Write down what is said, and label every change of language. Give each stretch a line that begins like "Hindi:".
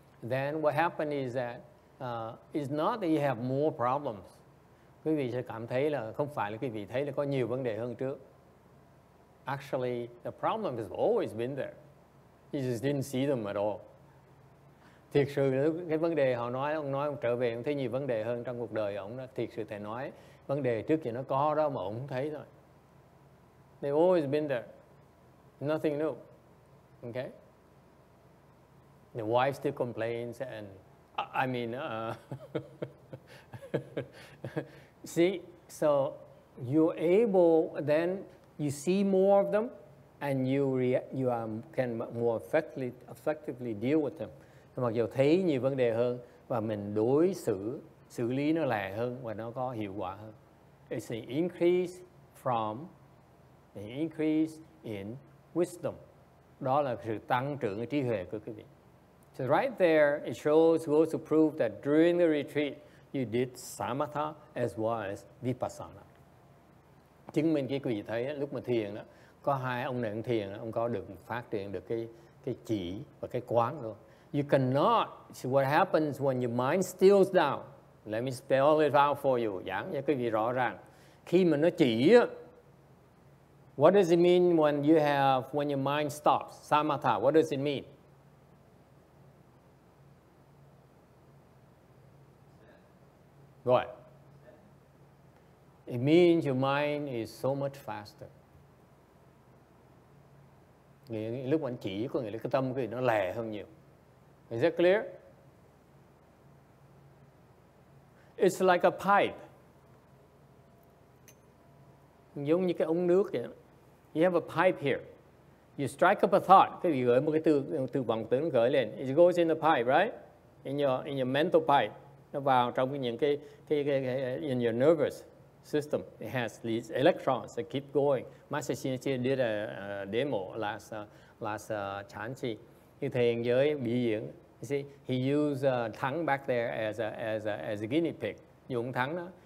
English: Then what happens is that it's not that you have more problems.
Vietnamese: Quý vị sẽ cảm thấy là không phải là quý vị thấy là có nhiều vấn đề hơn trước.
English: Actually, the problem has always been there. You just didn't see them at all.
Vietnamese: Thiệt sự là cái vấn đề họ nói, ông nói ông trở về, ông thấy nhiều vấn đề hơn trong cuộc đời ông đó. Thiệt sự thầy nói, vấn đề trước thì nó có đó mà ông thấy thôi.
English: They've always been there. Nothing new. Okay? The wife still complains and, I mean, see, so you're able, then you see more of them and you can more effectively deal with them.
Vietnamese: Mặc dù thấy nhiều vấn đề hơn và mình đối xử lý nó lẹ hơn và nó có hiệu quả hơn.
English: It's an increase from an increase in wisdom.
Vietnamese: Đó là sự tăng trưởng trí huệ của quý vị.
English: So right there, it shows, goes to prove that during the retreat, you did samatha as well as vipassana.
Vietnamese: Chứng minh cái quý vị thấy lúc mà thiền đó, có hai ông này ông thiền, ông có được phát triển được cái chỉ và cái quán luôn.
English: You cannot see what happens when your mind stills down. Let me spell it out for you.
Vietnamese: Giảng cho quý vị rõ ràng. Khi mà nó chỉ,
English: what does it mean when your mind stops? Samatha, what does it mean? What? It means your mind is so much faster.
Vietnamese: Lúc anh chỉ có nghĩa là cái tâm của nó lẹ hơn nhiều.
English: Is that clear? It's like a pipe.
Vietnamese: Giống như cái ống nước vậy.
English: You have a pipe here. You strike up a thought.
Vietnamese: Cái gì gửi một cái từ vọng tưởng nó gửi lên.
English: It goes in the pipe, right? In your mental pipe.
Vietnamese: Nó vào trong những cái
English: in your nervous system. It has these electrons that keep going. Master Xin Chia did a demo last Chanchi.
Vietnamese: Như thầy hiện giới bị diễn.
English: You see, he used thắng back there as a guinea pig.
Vietnamese: Dùng thắng đó.